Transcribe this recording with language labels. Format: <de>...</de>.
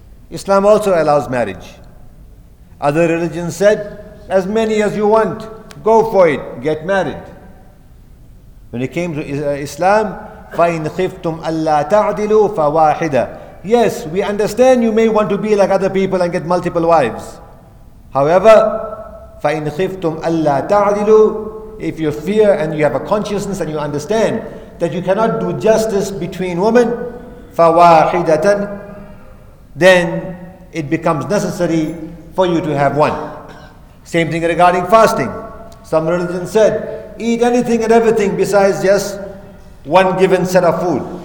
<en>Islam also allows marriage. Other religions said, as many as you want, go for it, get married. When it came to Islam,</en> <ar>فَإِنْ خِفْتُمْ أَلَّا تَعْدِلُوا فَوَاحِدًا.</ar> <en>Yes, we understand you may want to be like other people and get multiple wives. However,</en> <ar>فَإِنْ خِفْتُمْ أَلَّا تَعْدِلُوا.</ar> <en>If you fear and you have a consciousness and you understand that you cannot do justice between women,</en> <ar>فَوَاحِدَةً,</ar> <en>then it becomes necessary for you to have one. Same thing regarding fasting. Some religions said, eat anything and everything besides just one given set of food.</en>